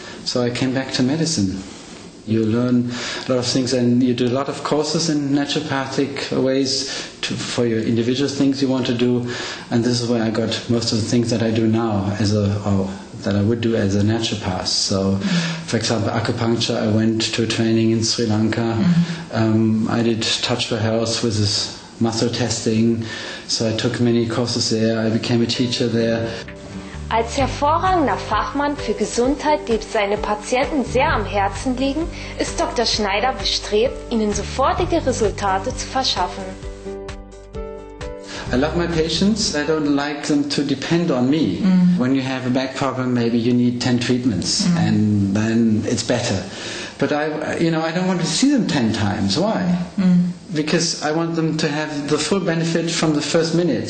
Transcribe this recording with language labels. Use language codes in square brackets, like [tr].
[en] So I came back to medicine. You learn a lot of things and you do a lot of courses in naturopathic ways for your individual things you want to do, and this is where I got most of the things that I do now that I would do as a naturopath. So for example, acupuncture, I went to a training in Sri Lanka. Mm-hmm. I did touch for health with this muscle testing, so I took many courses there, I became a teacher there. [de] Als hervorragender Fachmann für Gesundheit, dem seine Patienten sehr am Herzen liegen, ist Dr. Schneider bestrebt, ihnen sofortige Resultate zu verschaffen. [en] I love my patients. I don't like them to depend on me. Mm. When you have a back problem, maybe you need 10 treatments and then it's better. But I don't want to see them 10 times. Why? Mm. Because I want them to have the full benefit from the first minute.